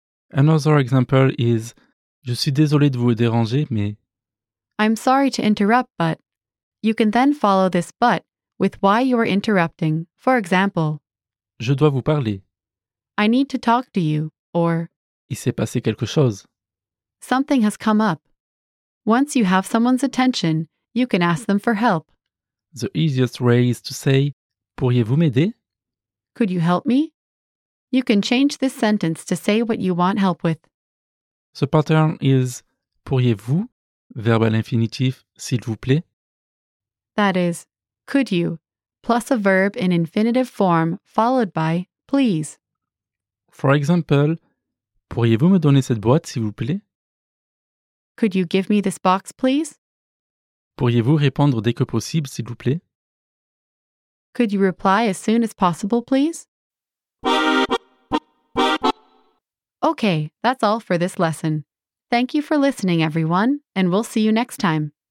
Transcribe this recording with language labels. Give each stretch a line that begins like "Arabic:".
English: Another example is,
French: je suis désolé de vous déranger, mais...
English: I'm sorry to interrupt, but... You can then follow this but with why you are interrupting. For example,
French: je dois vous parler.
English: I need to talk to you, or...
French: Il s'est passé quelque chose.
English: Something has come up. Once you have someone's attention, you can ask them for help. The easiest way is to say,
French: pourriez-vous m'aider?
English: Could you help me? You can change this sentence to say what you want help with. The pattern is,
French: pourriez-vous, verbe à l'infinitif, s'il vous plaît?
English: That is, could you, plus a verb in infinitive form, followed by, please. For example,
French: pourriez-vous me donner cette boîte, s'il vous plaît?
English: Could you give me this box, please?
French: Pourriez-vous répondre dès que possible, s'il vous plaît?
English: Could you reply as soon as possible, please? Okay, that's all for this lesson. Thank you for listening, everyone, and we'll see you next time.